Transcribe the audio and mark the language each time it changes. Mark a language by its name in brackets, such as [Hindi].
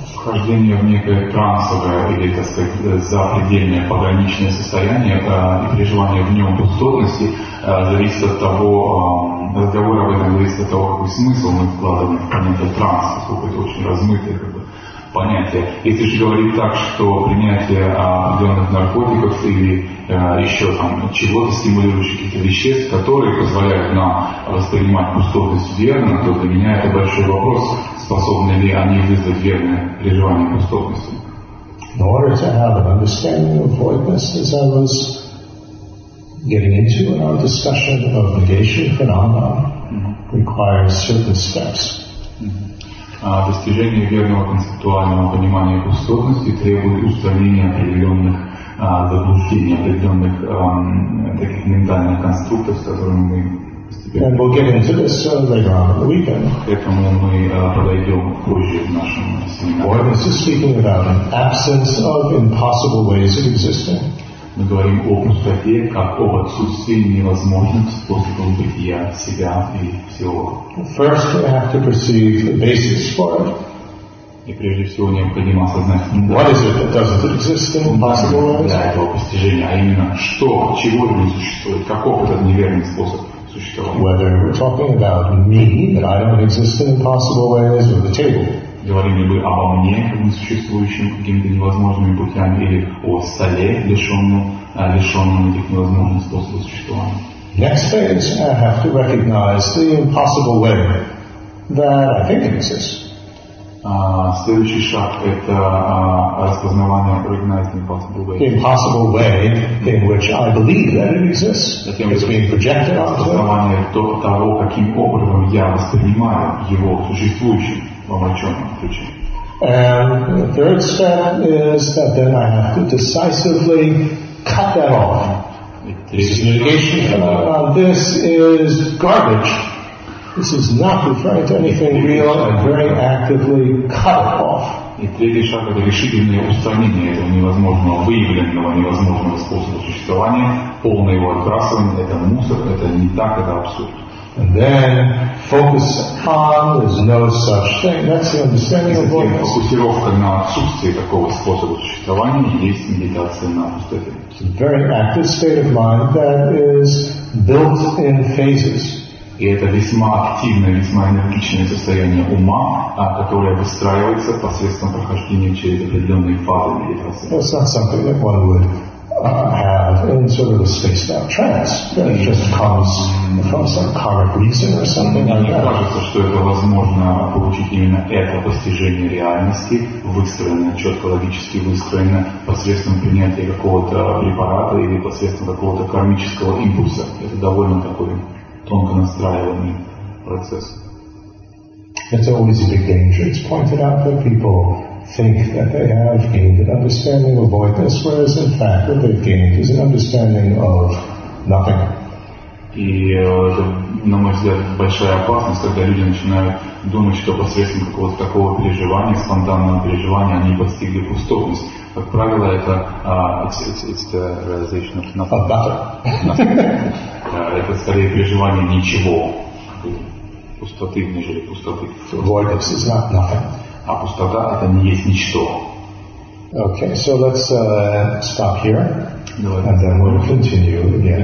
[Russian] Вхождение в некое трансовое или, так сказать, запредельное пограничное состояние и переживание в нем пустотности зависит от того, разговор об этом зависит от того, какой смысл мы вкладываем в понятие транса, поскольку это очень размытое как бы, понятие. Если же говорить так, что принятие определенных наркотиков или еще там чего-то стимулирующих каких-то веществ, которые позволяют нам воспринимать пустотность верно, то для меня это большой вопрос. Способны ли они вызвать верное переживание пустотности? [English] In order to have an understanding of voidness, as I was getting into in our discussion of negation phenomena, requires certain steps. [Russian] Достижение верного концептуального понимания пустотности требует устранения определенных заблуждений, определенных таких ментальных конструктов, с которыми мы. [English] And we'll get into this later on in the weekend. Or this is speaking about an absence of impossible ways of existing. [Russian] Мы говорим о пустоте как об отсутствии невозможных способов бытия себя и всего. [English] First, we have to perceive the basis for it. [Russian] И прежде всего необходимо осознать, [English] what is it that doesn't exist in impossible ways? [Russian] Для этого постижения, а именно что, чего не существует, каков этот неверный способ. [English] Whether we're talking about me, that I don't exist in impossible ways, or the table. [Russian] Говорим ли мы обо мне, как несуществующем какими-то невозможными путями, или о столе, лишенном этих невозможных способов существования. [English] Next phase, I have to recognize the impossible way that I think it exists. [Russian] Следующий шаг – это распознавание [English] recognized impossible way. The impossible way in which I believe that it exists is being projected onto it. [Russian] Распознавание того, каким образом я воспринимаю его существующим в обращенном ключе. [English] And the third step is that then I have to decisively cut that off. This is negation. This is garbage. This is not referring to anything real, and very actively cut it off. [Russian] И третий шаг – это решительное устранение этого невозможного, выявленного невозможного способа существования, полное его отбрасывание, это мусор, это не так, это абсурд. [English] And then focus on there's no such thing. That's the understanding of voidness. [Russian] Фокусировка на отсутствии такого способа существования есть медитация на пустоте. [English] It's a very active state of mind that is built in phases. [Russian] И это весьма активное, весьма энергичное состояние ума, которое выстраивается посредством прохождения через определенные фазы медитации. [English] It's not something that one would have in sort of a spaced out trance. It just comes from some karmic reason or something like that. [Russian] Мне кажется, что это возможно получить именно это постижение реальности, выстроенное, четко логически выстроенное, посредством принятия какого-то препарата или посредством какого-то кармического импульса. Это довольно такой тонко настраиваемый процесс. [English] It's always a big danger. It's pointed out that people think that they have gained an understanding of voidness, whereas in fact what they've gained is an understanding of nothing. [Russian] И это, на мой взгляд, большая опасность, когда люди начинают думать, что посредством какого-то такого переживания, спонтанного переживания, они постигли пустотность. Как правило, это [English] it's the realization of nothing. [Russian] Это скорее переживание ничего, пустоты, нежели пустоты. [English] Voidness is not nothing. [Russian] А пустота — это не есть ничто. [English] Okay, so let's stop here, and then we'll continue again.